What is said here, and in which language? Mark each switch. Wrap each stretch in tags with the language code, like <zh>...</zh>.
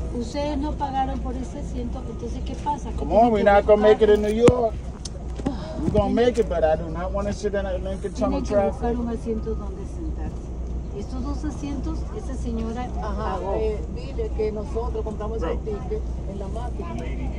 <es>Ustedes no pagaron por ese asiento, entonces ¿qué pasa?</es> <en>Come on, we're not going to make it in New York. We're going to make it, but I do not want to sit in a Lincoln Tunnel traffic.</en> <es>Tienen que buscar un asiento donde sentarse. Estos dos asientos, esa señora pagó. Dile que nosotros compramos el ticket en la máquina.</es>